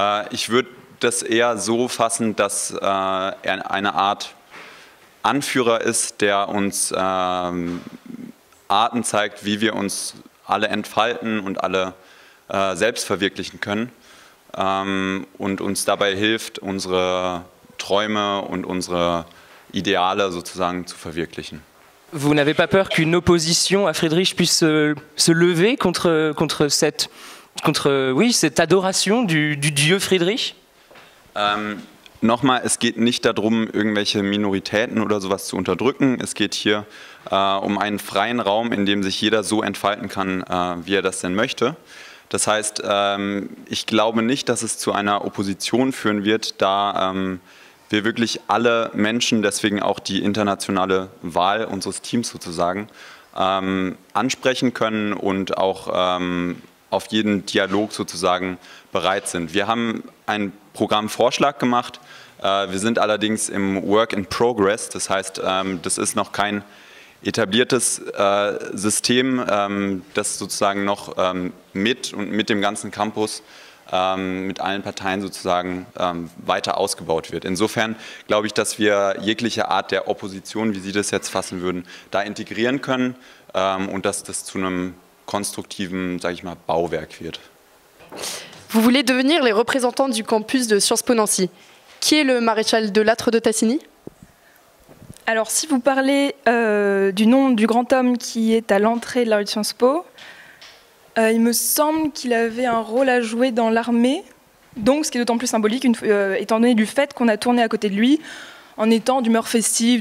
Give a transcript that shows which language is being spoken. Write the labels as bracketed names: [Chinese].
[German] Ich würde das eher so fassen, dass er eine Art Anführer ist, der uns Arten zeigt, wie wir uns alle entfalten und alle selbst verwirklichen können und uns dabei hilft, unsere Träume und unsere Ideale sozusagen zu verwirklichen. [French] Vous n'avez pas peur qu'une opposition à Friedrich puisse se lever contre cette adoration du Dieu Friedrich? [German] Nochmal, es geht nicht darum, irgendwelche Minoritäten oder sowas zu unterdrücken. Es geht hier um einen freien Raum, in dem sich jeder so entfalten kann, wie er das denn möchte. Das heißt, ich glaube nicht, dass es zu einer Opposition führen wird, da wir wirklich alle Menschen, deswegen auch die internationale Wahl unseres Teams sozusagen, ansprechen können und auch auf jeden Dialog sozusagen bereit sind. Wir haben einen Programmvorschlag gemacht. Wir sind allerdings im Work in Progress. Das heißt, das ist noch kein etabliertes System, das sozusagen noch mit und mit dem ganzen Campus, mit allen Parteien sozusagen weiter ausgebaut wird. Insofern glaube ich, dass wir jegliche Art der Opposition, wie Sie das jetzt fassen würden, da integrieren können und dass das zu einem konstruktiven, sage ich mal, Bauwerk wird. [French] Vous voulez devenir les représentants du campus de Sciences Po Nancy. Qui est le maréchal de Lattre de Tassigny? Alors, si vous parlez du nom du grand homme qui est à l'entrée de la rue de Sciences Po, il me semble qu'il avait un rôle à jouer dans l'armée, donc ce qui est d'autant plus symbolique, étant donné du fait qu'on a tourné à côté de lui en étant d'humeur festive.